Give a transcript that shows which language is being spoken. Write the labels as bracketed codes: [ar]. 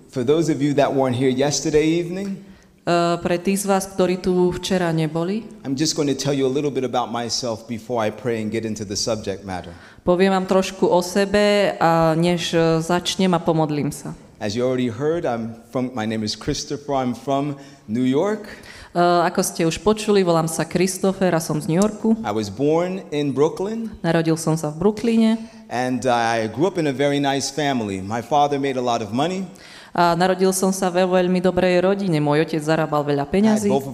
[en] For those of you that weren't here yesterday evening, [sk] Pre tých z vás, ktorí tu včera neboli, [en] I'm just going to tell you a little bit about myself before I pray and get into the subject matter. [sk] Poviem vám trošku o sebe, a než začnem a pomodlím sa. [en] As you already heard, my name is Christopher, I'm from New York. [sk] Ako ste už počuli, volám sa Christopher a som z New Yorku. [en] I was born in Brooklyn. [sk] Narodil som sa v Brooklyne. [en] And I grew up in a very nice family. My father made a lot of money. [sk] A narodil som sa vo veľmi dobrej rodine. Môj otec zarábal veľa peňazí.